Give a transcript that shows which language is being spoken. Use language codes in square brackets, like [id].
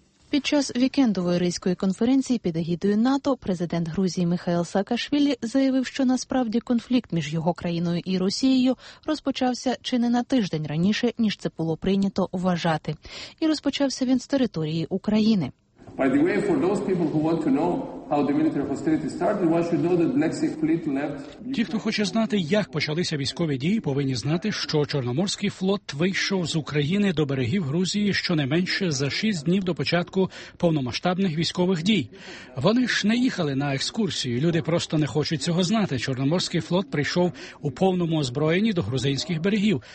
[uk] Під час вікендової ризької конференції під егідою НАТО президент Грузії Михайло Саакашвілі заявив, що насправді конфлікт між його країною і Росією розпочався чи не на тиждень раніше, ніж це було прийнято вважати. І розпочався він з території України. [en] By the way, for those people who want to know how the military hostilities started, one should know that Black Sea fleet left. [uk] Ті, хто хоче знати, як почалися військові дії, повинні знати, що Чорноморський флот вийшов з України до берегів Грузії щонайменше за 6 днів до початку повномасштабних військових дій. Вони ж не їхали на екскурсію. Люди просто не хочуть цього знати. Чорноморський флот прийшов у повному озброєнні до грузинських берегів.